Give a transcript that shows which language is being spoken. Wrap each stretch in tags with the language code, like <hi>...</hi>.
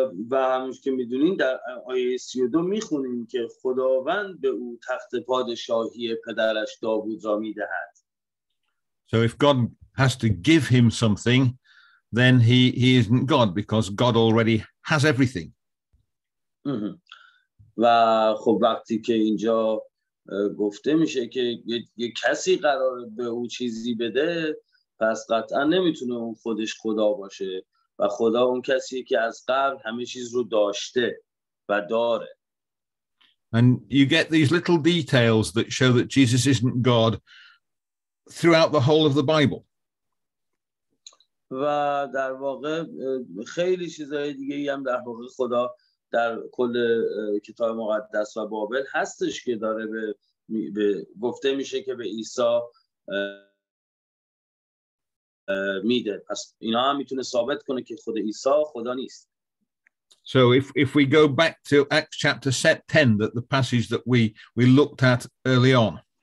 <fa>و همونش که میدونین در آیه 32 میخونیم که خداوند به او تخت پادشاهی پدرش داوود را میدهد.</fa> <en>So if God has to give him something, then he isn't God because God already has everything.</en> <fa>و خب وقتی که اینجا گفته میشه که یه کسی قرار به او چیزی بده پس قطعا نمیتونه اون خودش خدا باشه و خدا اون کسی که از قبل همه چیز رو داشته و داره.</fa> <en>And you get these little details that show that Jesus isn't God throughout the whole of the Bible.</en> <fa>و در واقع خیلی چیزهای دیگه هم در واقع خدا در کل کتاب مقدس و بابل هستش که داره به گفته میشه که به عیسی میده. پس اینا هم میتونه ثابت کنه که خود عیسی خدا نیست.</fa> <en>So if we go back to Acts chapter 10, that the passage that we looked at early on.</en>